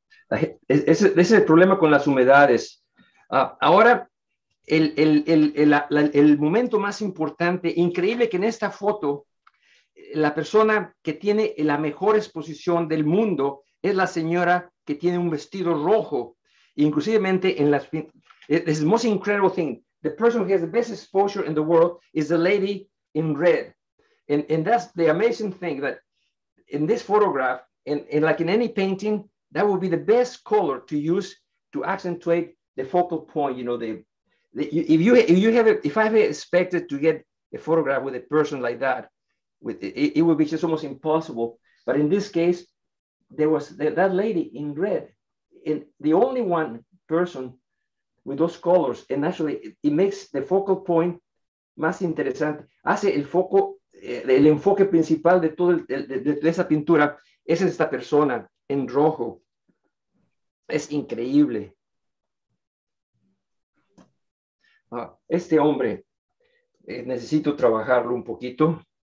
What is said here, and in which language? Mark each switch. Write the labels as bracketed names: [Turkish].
[Spanish] Okay. Ese es el problema con las humedades. Ahora... El momento más importante, increíble que en esta foto, la persona que tiene la mejor exposición del mundo es la señora que tiene un vestido rojo. [English] Inclusivemente, this is the most incredible thing. The person who has the best exposure in the world is the lady in red. And that's the amazing thing, that in this photograph, and like in any painting, that would be the best color to use to accentuate the focal point, you know, if I have expected to get a photograph with a person like that, it would be just almost impossible. But in this case, there was that lady in red, and the only one person with those colors, and actually it makes the focal point más interesante. [Spanish] Hace el foco, el enfoque principal de todo de esa pintura es esta persona en rojo. Es increíble. Este hombre, necesito trabajarlo un poquito.